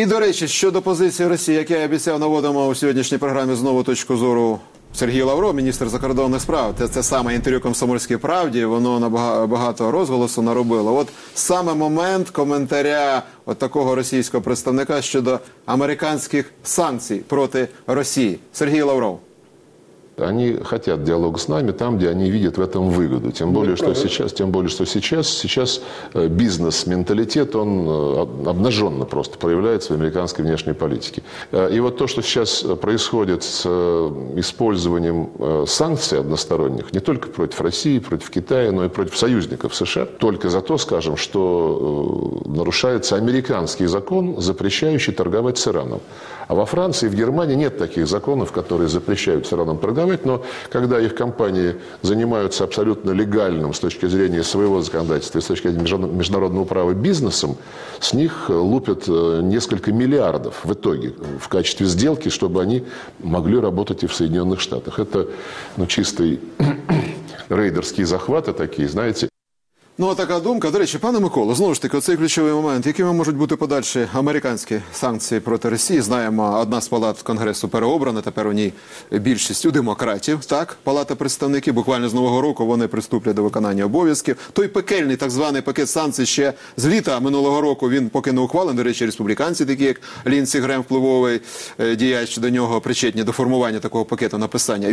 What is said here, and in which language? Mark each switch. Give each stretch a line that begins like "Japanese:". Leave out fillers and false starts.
Ukrainian: І, до речі, щодо позиції Росії, як я і обіцяв, наводимо у сьогоднішній програмі знову точку зору Сергій Лавров, міністр закордонних справ. Це саме інтерв'ю «Комсомольській правді», воно набагато розголосу наробило. От саме момент коментаря от такого російського представника щодо американських санкцій проти Росії. Сергій Лавров.
Russian: Они хотят диалог с нами там, где они видят в этом выгоду. Тем более, что сейчас, сейчас бизнес-менталитет, он обнаженно просто проявляется в американской внешней политике. И вот то, что сейчас происходит с использованием санкций односторонних, не только против России, против Китая, но и против союзников США, только за то, скажем, что нарушается американский закон, запрещающий торговать с Ираном. А во Франции и в Германии нет таких законов, которые запрещают с Ираном торговать, но когда их компании занимаются абсолютно легальным с точки зрения своего законодательства и с точки зрения международного права бизнесом, с них лупят несколько миллиардов в итоге в качестве сделки, чтобы они могли работать и в Соединенных Штатах. Это, ну, чистый рейдерский захват, а такие, знаете...
Ukrainian: Ну, а така думка, до речі, пане Миколо, знову ж таки, оцей ключовий момент, якими можуть бути подальші американські санкції проти Росії? Знаємо, одна з палат Конгресу переобрана, тепер у ній більшість у демократів, так? Палата представників, буквально з нового року вони приступлять до виконання обов'язків. Той пекельний, так званий пакет санкцій ще з літа минулого року, він поки не ухвалений, до речі, республіканці такі, як Лінсі Грем, впливовий діяч до нього, причетні до формування такого пакету написання.